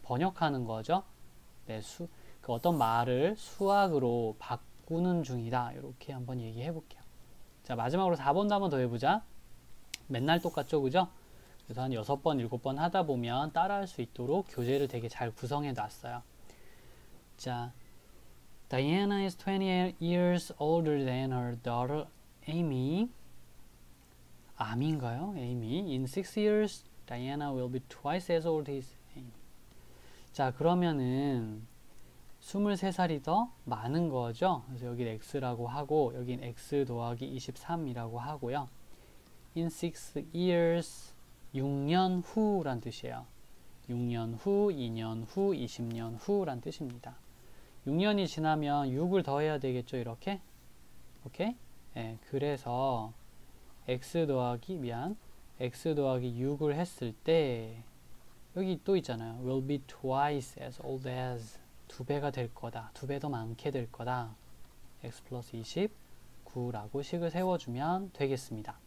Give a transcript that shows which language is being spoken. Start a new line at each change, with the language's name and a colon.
Korean: 번역하는 거죠. 네, 그 어떤 말을 수학으로 바꾸는 중이다. 이렇게 한번 얘기해 볼게요. 자, 마지막으로 4번도 한번 더 해보자. 맨날 똑같죠, 그죠? 그래서 한 6번, 7번 하다 보면 따라할 수 있도록 교재를 되게 잘 구성해 놨어요.
English: 자, Diana is 20 years older than her daughter Amy.
Korean: 아미인가요? 에이미.
English: In 6 years, Diana will be twice as old as Amy.
Korean: 자, 그러면은 23살이 더 많은 거죠? 그래서 여긴 X라고 하고, 여긴 X 더하기 23이라고 하고요.
English: In 6 years,
Korean: 6년 후란 뜻이에요. 6년 후, 2년 후, 20년 후란 뜻입니다. 6년이 지나면 6을 더해야 되겠죠, 이렇게? 오케이? 예, 네, 그래서 x 더하기 6을 했을 때 여기 또 있잖아요.
English: will be twice as old as
Korean: 두 배가 될 거다. 두 배 더 많게 될 거다. x 플러스 29라고 식을 세워주면 되겠습니다. 자, 나머지 문제들은 한번 직접 도전해보고요.